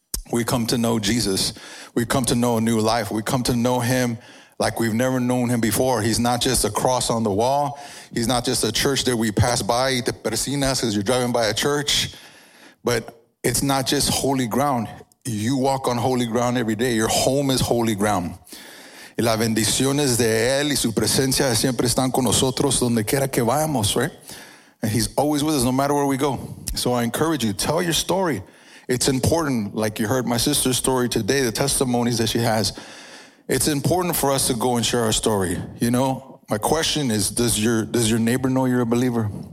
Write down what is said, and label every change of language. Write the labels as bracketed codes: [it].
[en] We come to know Jesus. We come to know a new life. We come to know him like we've never known him before. He's not just a cross on the wall. He's not just a church that we pass by, [es] te persinas, [en] because you're driving by a church. But it's not just holy ground. You walk on holy ground every day. Your home is holy ground. [es] Y las bendiciones de él y su presencia siempre están con nosotros donde quiera que vayamos, [en] right? And he's always with us no matter where we go. So I encourage you, tell your story. It's important, like you heard my sister's story today, the testimonies that she has. It's important for us to go and share our story. You know, my question is, does your neighbor know you're a believer?